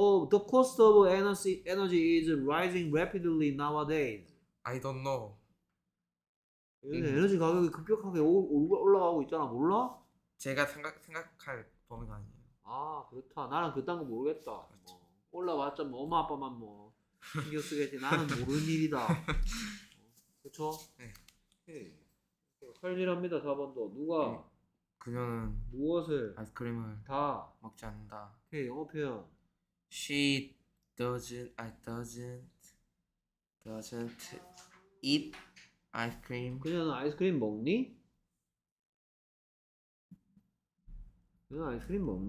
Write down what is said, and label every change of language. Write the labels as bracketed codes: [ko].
[en] The cost of energy is rising rapidly nowadays. I don't know. [ko] 에너지 가격이 급격하게 올라가고 있잖아, 몰라? 제가 생각할 범위가 아니에요. 아, 그렇다. 나는 그딴 거 모르겠다. 뭐 올라왔자 뭐 엄마 아빠만 뭐 신경 쓰겠지. 나는 모르는 일이다. 그쵸? 오케이. 칼질합니다, 4번도. 누가 그녀는 무엇을 아이스크림을 다. 먹지 않는다. 오케이, 영어 표현. [en] She doesn't, I doesn't eat 아이스크림. [ko] 그녀는 아이스크림 먹니? 그녀는 아이스크림 먹니?